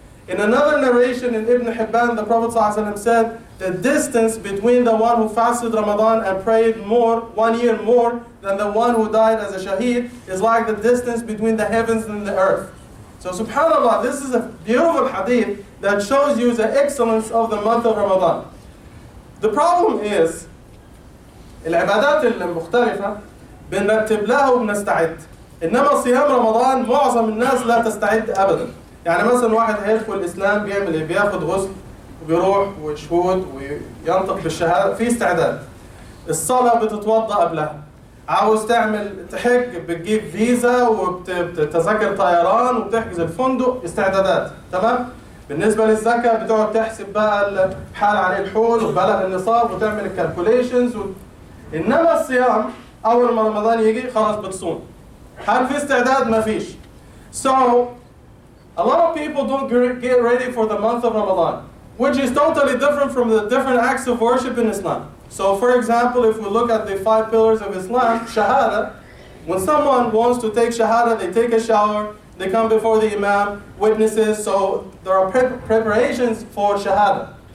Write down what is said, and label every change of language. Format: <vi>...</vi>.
<en>In another narration in Ibn Hibban, the Prophet ﷺ said, the distance between the one who fasted Ramadan and prayed more, 1 year more, than the one who died as a shaheed is like the distance between the heavens and the earth. So subhanAllah, this is a beautiful hadith that shows you the excellence of the month of Ramadan. The problem is,</en> <ar>العبادات المختلفة بنرتب لها وبنستعد. إنما صيام رمضان معظم الناس لا تستعد أبدا. يعني مثلا واحد هيدخل الإسلام بيعمل إيه؟ بياخد غسل وبيروح ويشهد وينطق بالشهادة، في استعداد. الصلاة بتتوضأ قبلها. عاوز تعمل تحج بتجيب فيزا وبتتذكر طيران وبتحجز الفندق، استعدادات، تمام؟ بالنسبة للزكاة بتقعد تحسب بقى الحال عليه الحول وبلغ النصاب وتعمل الكالكوليشنز إنما الصيام أول ما رمضان يجي خلاص بتصوم. هل في استعداد؟ ما فيش.</ar> <en>So a lot of people don't get ready for the month of Ramadan, which is totally different from the different acts of worship in Islam. So for example, if we look at the five pillars of Islam, Shahada, when someone wants to take Shahada, they take a shower, they come before the Imam, witnesses, so there are preparations for Shahada.</en>